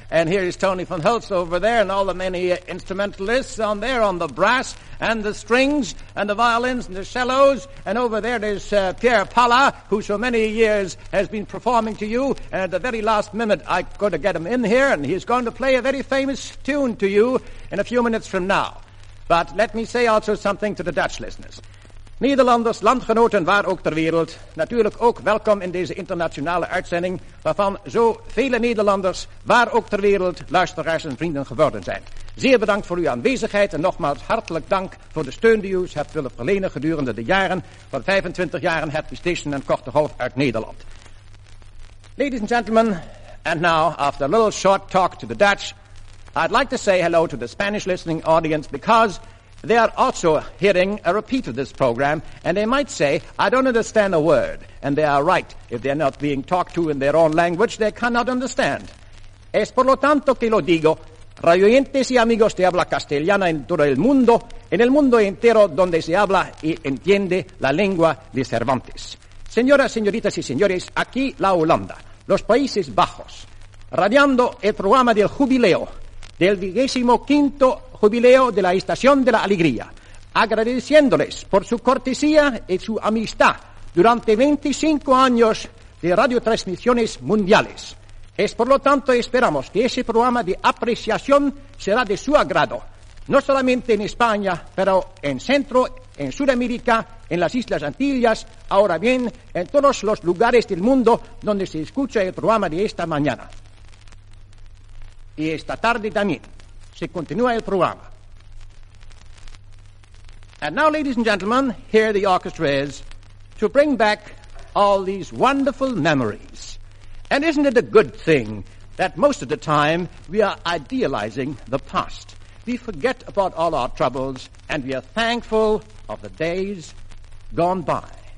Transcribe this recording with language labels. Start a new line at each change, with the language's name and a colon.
English: And here is Tony van Hulst over there, and all the many instrumentalists on there, on the brass, and the strings, and the violins, and the cellos. And over there is Pierre Palla, who so many years has been performing to you. And at the very last minute, I got to get him in here, and he's going to play a very famous tune to you in a few minutes from now. But let me say also something to the Dutch listeners.
Dutch: Nederlanders, landgenoten waar ook ter wereld, natuurlijk ook welkom in deze internationale uitzending, waarvan zo vele Nederlanders waar ook ter wereld luisteraars en vrienden geworden zijn. Zeer bedankt voor uw aanwezigheid en nogmaals hartelijk dank voor de steun die u hebt willen verlenen gedurende de jaren van 25 jaren Happy Station en Korte Golf uit Nederland.
English: Ladies and gentlemen, and now, after a little short talk to the Dutch, I'd like to say hello to the Spanish listening audience because they are also hearing a repeat of this program and they might say, I don't understand a word. And they are right. If they're not being talked to in their own language, they cannot understand.
Spanish: Es por lo tanto que lo digo, Radio oyentes y amigos, te habla castellana en todo el mundo entero donde se habla y entiende la lengua de Cervantes. Señoras, señoritas y señores, aquí la Holanda, los Países Bajos, radiando el programa del jubileo, del 25º jubileo de la Estación de la Alegría, agradeciéndoles por su cortesía y su amistad durante 25 años de radiotransmisiones mundiales. Es por lo tanto, esperamos que ese programa de apreciación será de su agrado, no solamente en España, pero en Centro, en Sudamérica, en las Islas Antillas, ahora bien, en todos los lugares del mundo donde se escucha el programa de esta mañana. Y esta tarde también se continúa el programa.
English: And now, ladies and gentlemen, here the orchestra is to bring back all these wonderful memories. And isn't it a good thing that most of the time we are idealizing the past? We forget about all our troubles and we are thankful of the days gone by.